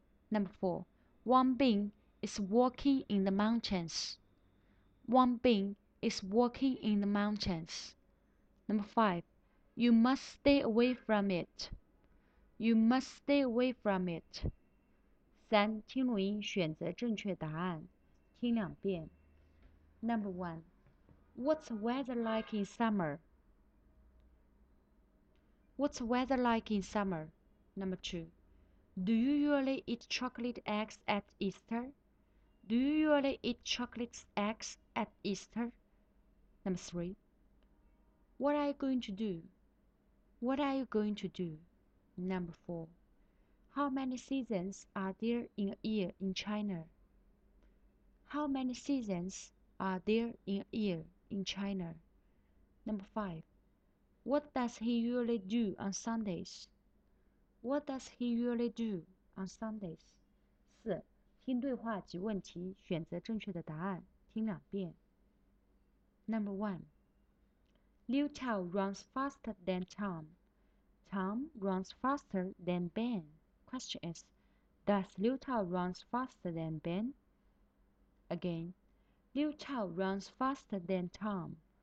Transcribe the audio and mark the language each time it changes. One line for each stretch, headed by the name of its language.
English: Number four, Wang Bing is walking in the mountains. Wang Bing is walking in the mountains. Number five, you must stay away from it. You must stay away from it.
Chinese: 三，听录音选择正确答案，听两遍。
English: Number one, What's the weather like in summer? What's the weather like in summer? Number two,Do you usually eat chocolate eggs at Easter? Do you usually eat chocolate eggs at Easter? Number three. What are you going to do? What are you going to do? Number four. How many seasons are there in a year in China? How many seasons are there in a year in China? Number five. What does he usually do on Sundays? What does he usually do on Sundays?
Chinese: 四，听对话及问题，选择正确的答案，听两遍。
English: Number one, Liu Tao runs faster than Tom. Tom runs faster than Ben. Question is, does Liu Tao runs faster than Ben? Again, Liu Tao runs faster than Tom.